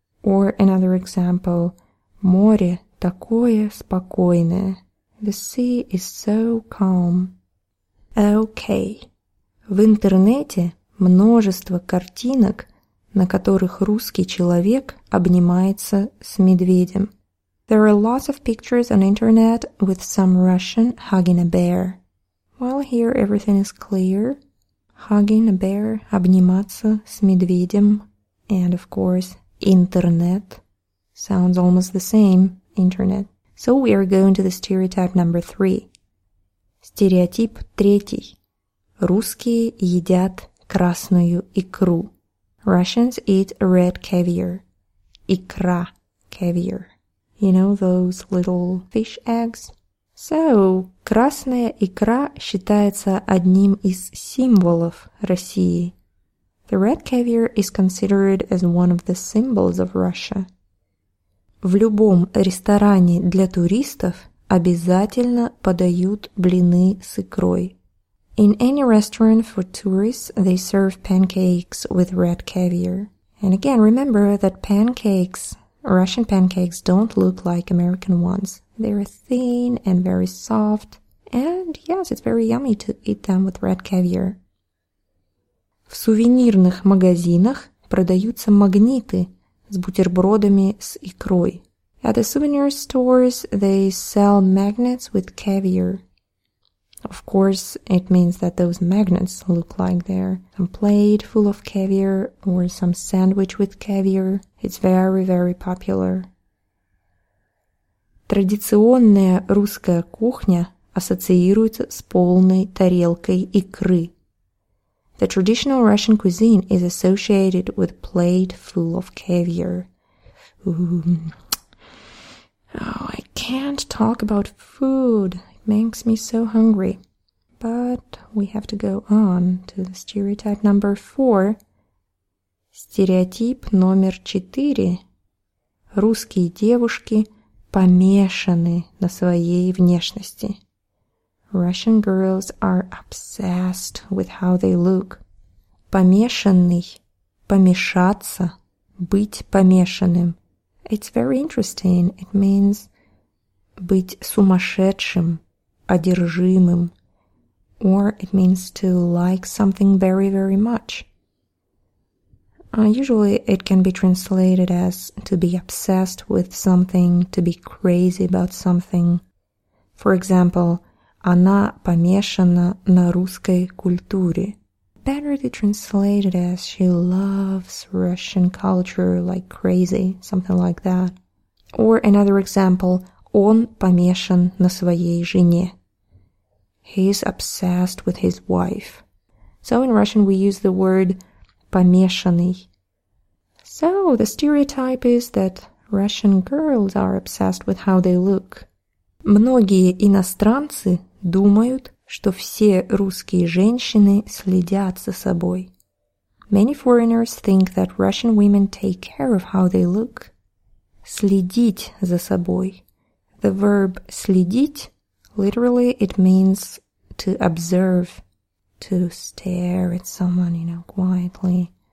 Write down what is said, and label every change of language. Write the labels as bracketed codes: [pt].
[en] Or another example, [ru] «Море такое спокойное». [en] The sea is so calm. Okay. [ru] В интернете множество картинок, на которых русский человек обнимается с медведем. [en] There are lots of pictures on internet with some Russian hugging a bear. Well, here everything is clear. Hugging a bear, [ru] обниматься с медведем, [en] and of course, интернет. Sounds almost the same, internet. So we are going to the stereotype number three. [ru] Стереотип третий. Русские едят красную икру. [en] Russians eat red caviar. [ru] Икра, caviar. [en] You know those little fish eggs? [ru] So, красная икра считается одним из символов России. [en] The red caviar is considered as one of the symbols of Russia. [ru] В любом ресторане для туристов обязательно подают блины с икрой. [en] In any restaurant for tourists, they serve pancakes with red caviar. And again, remember that pancakes, Russian pancakes, don't look like American ones. They're thin and very soft. And yes, it's very yummy to eat them with red caviar. [ru] В сувенирных магазинах продаются магниты с бутербродами с икрой. [en] At the souvenir stores, they sell magnets with caviar. Of course, it means that those magnets look like they're a plate full of caviar or some sandwich with caviar. It's very, very popular. [ru] Традиционная русская кухня ассоциируется с полной тарелкой икры. [en] The traditional Russian cuisine is associated with a plate full of caviar. Ooh. Oh, I can't talk about food. It makes me so hungry. But we have to go on to the stereotype number 4. [ru] Стереотип номер 4. Русские девушки помешаны на своей внешности. [en] Russian girls are obsessed with how they look. [ru] Помешанный, помешаться, быть помешанным. [en] It's very interesting. It means [ru] быть сумасшедшим, одержимым. [en] Or it means to like something very, very much. Usually it can be translated as to be obsessed with something, to be crazy about something. For example, [ru] она помешана на русской культуре. [en] Better to translate it as she loves Russian culture like crazy, something like that. Or another example, [ru] он помешан на своей жене. [en] He is obsessed with his wife. So in Russian we use the word помешанный. So the stereotype is that Russian girls are obsessed with how they look. [ru] Многие иностранцы думают, что все русские женщины следят за собой. [en] Many foreigners think that Russian women take care of how they look. [ru] Следить за собой. [en] The verb следить, literally it means to observe, to stare at someone, you know, quietly.